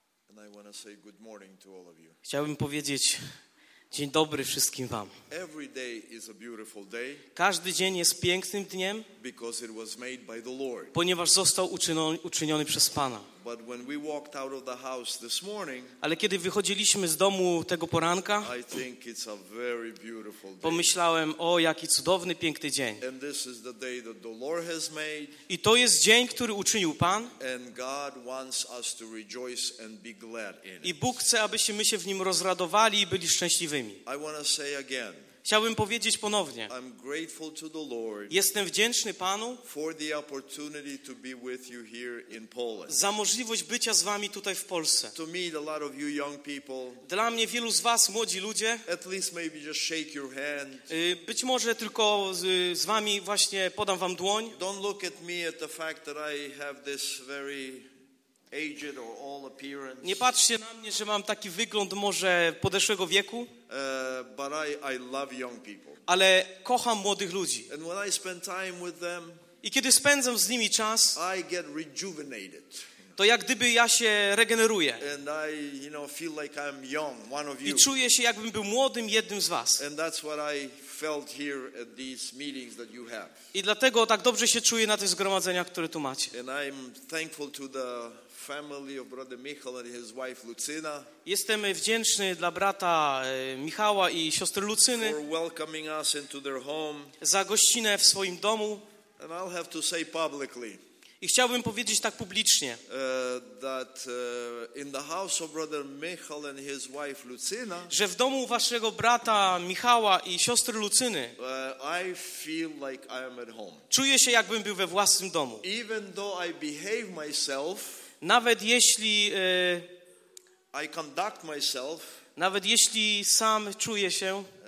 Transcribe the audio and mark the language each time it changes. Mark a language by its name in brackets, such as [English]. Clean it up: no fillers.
[English] And I want to say good morning to all of you. [Polish] Chciałbym powiedzieć dzień dobry wszystkim wam. [English] Every day is a beautiful day. [Polish] Każdy dzień jest pięknym dniem. [English] Because it was made by the Lord. [Polish] Ponieważ został uczyniony przez Pana. [English] But when we walked out of the house this morning, [Polish] ale kiedy wychodziliśmy z domu tego poranka, [English] I think it's a very beautiful day. [Polish] Pomyślałem, o jaki cudowny, piękny dzień. [English] And this is the day that the Lord has made. [Polish] I to jest dzień, który uczynił Pan. [English] And God wants us to rejoice and be glad in it. [Polish] I Bóg chce, abyśmy się w nim rozradowali i byli szczęśliwymi. [English] I want to say again. [Polish] Chciałbym powiedzieć ponownie. [English] I'm grateful to the Lord. [Polish] Jestem wdzięczny Panu [English] for the opportunity to be with you here in Poland. [Polish] Za możliwość bycia z wami tutaj w Polsce. [English] To meet a lot of you young people. [Polish] Dla mnie wielu z was młodzi ludzie. [English] At least maybe just shake your hand. [Polish] Być może tylko z wami właśnie podam wam dłoń. [English] Don't look at me at the fact that I have this very aged or old appearance. [Polish] Nie patrzcie na mnie, że mam taki wygląd może podeszłego wieku. [English] But I love young people. [Polish] Ale kocham młodych ludzi. [English] And when I spend time with them, [Polish] i kiedy spędzam z nimi czas, [English] I get rejuvenated. [Polish] To jak gdyby ja się regeneruję. [English] And I, you know, feel like I'm young, one of you. [Polish] I czuję się, jakbym był młodym jednym z was. [English] And that's what I felt here at these meetings that you have. [Polish] I dlatego tak dobrze się czuję na tych zgromadzeniach, które tu macie. [English] And I'm thankful to the family of brother Michal and his wife Lucyna. [Polish] Jestem wdzięczny dla brata Michała i siostry Lucyny. [English] For welcoming us into their home. [Polish] Za gościnę w swoim domu. [English] And I'll have to say publicly. [Polish] I chciałbym powiedzieć tak publicznie. [English] That in the house of brother Michal and his wife Lucyna. [Polish] Że w domu waszego brata Michała i siostry Lucyny. [English] I feel like I am at home. [Polish] Czuję się, jakbym był we własnym domu. [English] Even though I behave myself. [Polish] Nawet jeśli [English] I conduct myself, [Polish] nawet jeśli sam czuję się